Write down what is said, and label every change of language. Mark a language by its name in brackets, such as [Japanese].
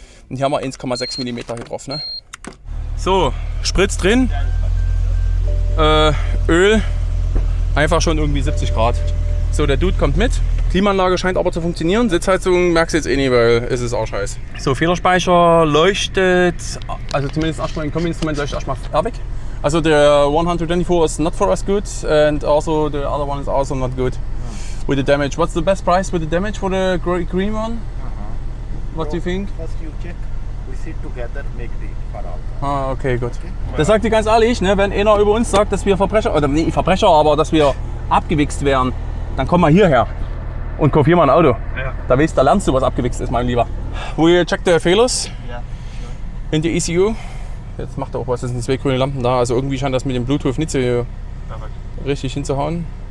[German] Und hier haben wir 1,6 mm getroffen, ne? So, Spritz drin. Öl, einfach schon irgendwie 70 Grad. So, der Dude kommt mit. Klimaanlage scheint aber zu funktionieren. Sitzheizung merkst du jetzt eh nicht, weil es ist auch scheiße. So, Federspeicher leuchtet, also zumindest erstmal im Kombi-Instrument leuchtet erstmal farbig. Also der [English] 124 is not for us good and also the other one is also not good. Yeah. With the damage. What's the best price with the damage for the green one? Uh-huh. What do you think? First you check, we sit together, make the [German] Ah, okay, gut. Okay. Das sagt ihr ganz ehrlich, ne? Wenn einer über uns sagt, dass wir Verbrecher, oder nicht Verbrecher, aber dass wir abgewichst werden, dann komm mal hierher und kauf hier mal ein Auto. Ja. Da weißt, da lernst du, was abgewichst ist, mein Lieber. [English] Will you check the failures? [German] Ja. [English] In the ECU? [German] Jetzt macht er auch was, das sind zwei grüne Lampen da. Also irgendwie scheint das mit dem Bluetooth nicht so richtig hinzuhauen.